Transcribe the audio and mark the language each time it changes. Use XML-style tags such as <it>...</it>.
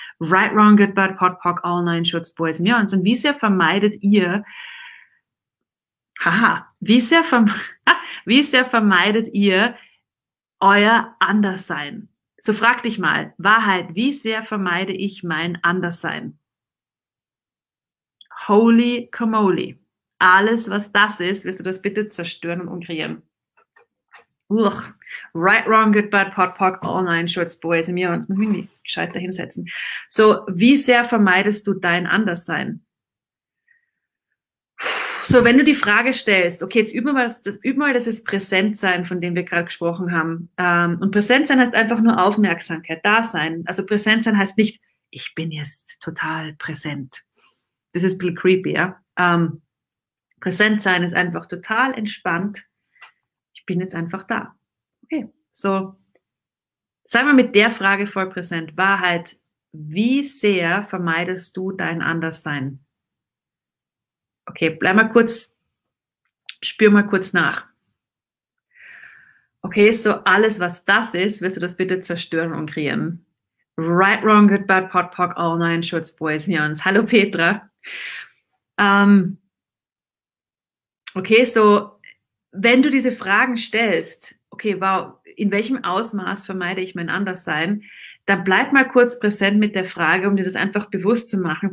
<en>Right, wrong, good, bad, pot, pock, all nine shots, boys, and girls.</en> <de>Und wie sehr vermeidet ihr, wie sehr vermeidet ihr euer Anderssein? So frag dich mal, Wahrheit, wie sehr vermeide ich mein Anderssein?</de> <en>Holy Camoli.</en> <de>Alles, was das ist, wirst du das bitte zerstören und umkreieren. Ugh.</de> <en>Right, wrong, good, bad, pot, pock, all nine shorts, boys, and girls.</en> <de>Muss mich nicht gescheiter hinsetzen. So, wie sehr vermeidest du dein Anderssein? So, wenn du die Frage stellst, okay, jetzt üben wir mal, das ist Präsentsein, von dem wir gerade gesprochen haben. Und Präsentsein heißt einfach nur Aufmerksamkeit, Dasein. Also Präsentsein heißt nicht, ich bin jetzt total präsent. Das ist ein bisschen creepy, ja. Präsent sein ist einfach total entspannt. Ich bin jetzt einfach da. Okay, so. Sei mal mit der Frage voll präsent. Wahrheit, wie sehr vermeidest du dein Anderssein? Okay, bleib mal kurz, spür mal kurz nach. Okay, so alles, was das ist, wirst du das bitte zerstören und kreieren.</de> <en>Right, wrong, good, bad, pot, pock, all nine shorts, boys, meons.</en> <de>Hallo Petra. Okay, so, wenn du diese Fragen stellst, okay, wow, in welchem Ausmaß vermeide ich mein Anderssein, dann bleib mal kurz präsent mit der Frage, um dir das einfach bewusst zu machen.</de>